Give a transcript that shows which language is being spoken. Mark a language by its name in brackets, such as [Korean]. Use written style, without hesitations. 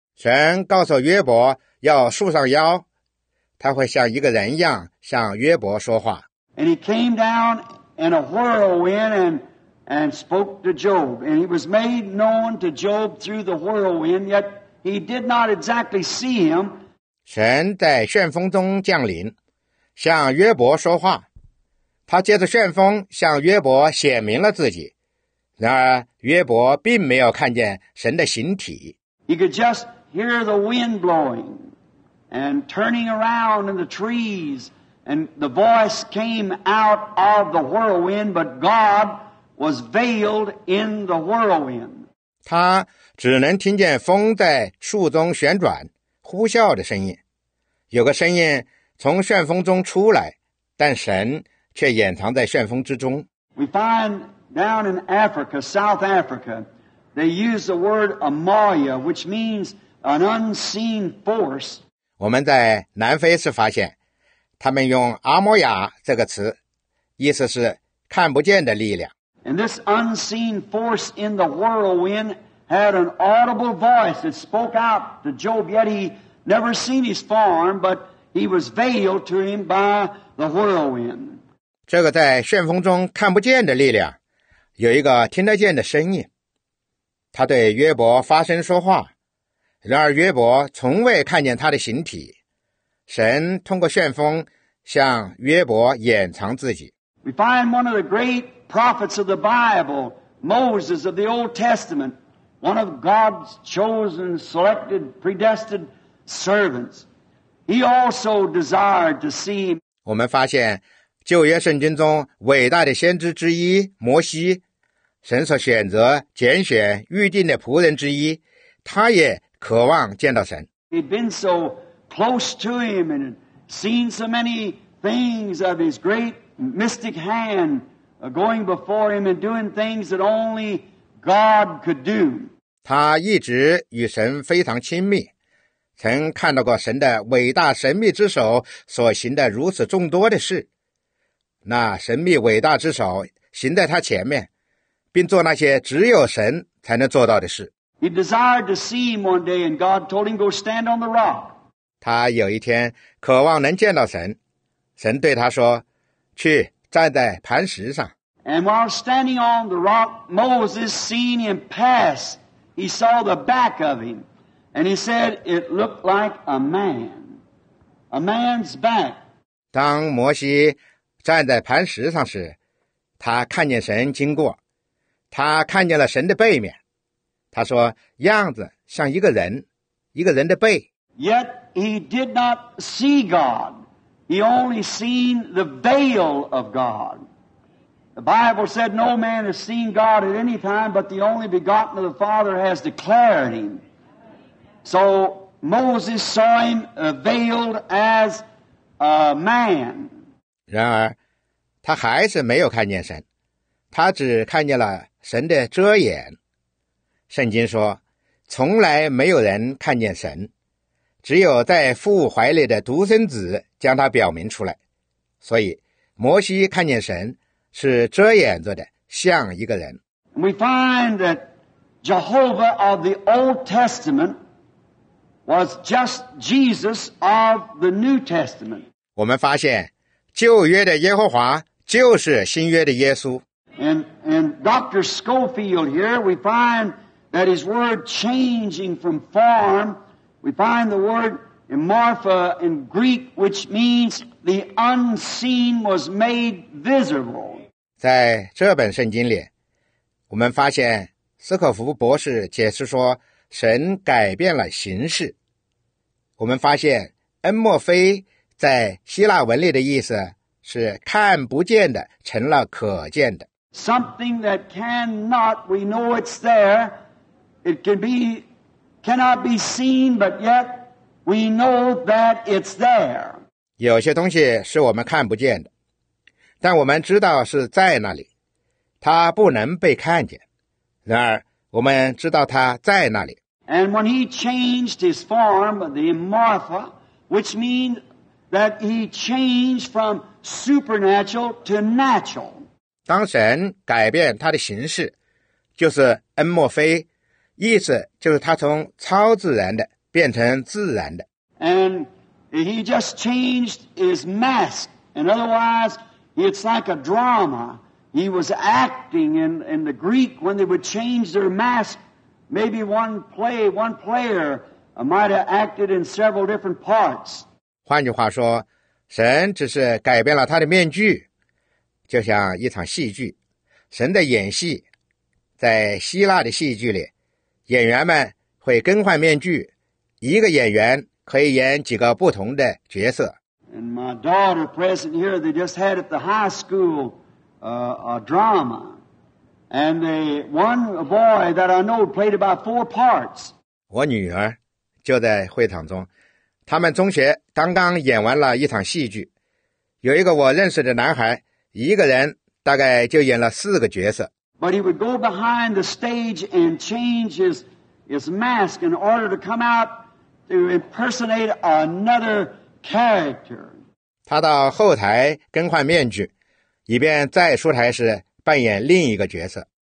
[Chinese] 神告诉约伯要束上腰，他会像一个人一样向约伯说话。 [English] And he came down in a whirlwind and spoke to Job. And he was made known to Job through the whirlwind. Yet he did not exactly see him. [Chinese] 神在旋风中降临，向约伯说话。他借着旋风向约伯显明了自己，然而约伯并没有看见神的形体。 [English] He could just hear the wind blowing and turning around in the trees, and the voice came out of the whirlwind, but God was veiled in the whirlwind. [Chinese] 他只能听见风在树中旋转、呼啸的声音，有个声音从旋风中出来，但神却掩藏在旋风之中。 [English] We find down in Africa, South Africa, they use the word Amaya, which means an unseen force. [Chinese] 我们在南非时发现，他们用阿摩亚这个词，意思是看不见的力量。 [English] And this unseen force in the whirlwind had an audible voice that spoke out to Job, yet he never seen his form, but he was veiled to him by the whirlwind. [Chinese] 这个在旋风中看不见的力量，有一个听得见的声音，他对约伯发声说话，然而约伯从未看见他的形体，神通过旋风向约伯掩藏自己。 [English] We find one of the great prophets of the Bible, Moses of the Old Testament, one of God's chosen, selected, predestined servants. He also desired to see him. [Chinese] 我们发现旧约圣经中伟大的先知之一摩西，神所选择拣选预定的仆人之一，他也渴望见到神。 [English] He'd been so close to him and seen so many things of his great mystic hand going before him and doing things that only God could do. [Chinese] 他一直与神非常亲密，曾看到过神的伟大神秘之手所行的如此众多的事，那神秘伟大之手行在他前面，并做那些只有神才能做到的事。 [English] He desired to see him one day, and God told him, "Go stand on the rock." [Chinese] 他有一天渴望能见到神，神对他说，去站在磐石上。 [English] And while standing on the rock, Moses seeing him pass, he saw the back of him, and he said, "It looked like a man, a man's back." [Chinese] 当摩西站在磐石上时，他看见神经过，他看见了神的背面，他说样子像一个人，一个人的背。 [English] Yet he did not see God. He only seen the veil of God. The Bible said no man has seen God at any time, but the only begotten of the Father has declared him. So Moses saw him veiled as a man. [Chinese] 然而他还是没有看见神，他只看见了神的遮掩。圣经说，从来没有人看见神，只有在父怀里的独生子将他表明出来。所以摩西看见神是遮掩着的，像一个人。 [English] We find that Jehovah of the Old Testament was just Jesus of the New Testament. [Chinese] 我们发现旧约的耶和华就是新约的耶稣。 [English] And Dr. Schofield here, we find that his word changing from form, we find the word amorpha in Greek, which means the unseen was made visible. [Chinese] 在这本圣经里，我们发现斯可福博士解释说，神改变了形式。我们发现恩莫非在希腊文里的意思是看不见的成了可见的。 [English] Something that cannot, we know it's there. It can be, cannot be seen, but yet we know that it's there. [Chinese] 有些东西是我们看不见的，但我们知道是在那里。它不能被看见，然而我们知道它在那里。 [English] And when he changed his form, the amorpha, which means that he changed from supernatural to natural. [Chinese] 当神改变他的形式，就是恩莫非，意思就是他从超自然的变成自然的。 [English] And he just changed his mask. And otherwise, it's like a drama. He was acting in the Greek when they would change their mask. Maybe one player might have acted in several different parts. [Chinese] 换句话说，神只是改变了他的面具。就像一场戏剧，神的演戏，在希腊的戏剧里，演员们会更换面具，一个演员可以演几个不同的角色。 [English] And my daughter present here, they just had at the high school, a drama. And one boy that I know played about four parts. [Chinese] 我女儿就在会场中，他们中学刚刚演完了一场戏剧，有一个我认识的男孩一个人大概就演了四个角色。 [English] But he would go behind the stage and change his mask in order to come out to impersonate another character. [Chinese] 他到后台更换面具，以便再出台时扮演另一个角色。